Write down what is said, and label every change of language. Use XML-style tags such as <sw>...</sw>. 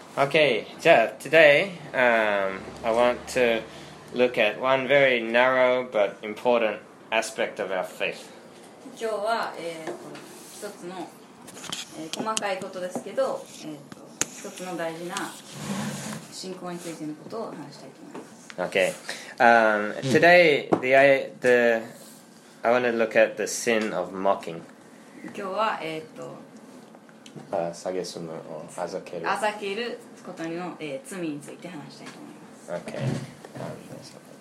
<en>Okay, so today I want to look at one very narrow but important aspect of our faith.</en> <ja>今日は、一つの、細かいことですけど、一つの大事な信仰についてのことを話したいと思います。</ja> <en>Okay. Today, I want to look at the sin of mocking.</en> <ja>今日は、蔑むを嘲ける。嘲けることの、罪について話したいと思います。</ja>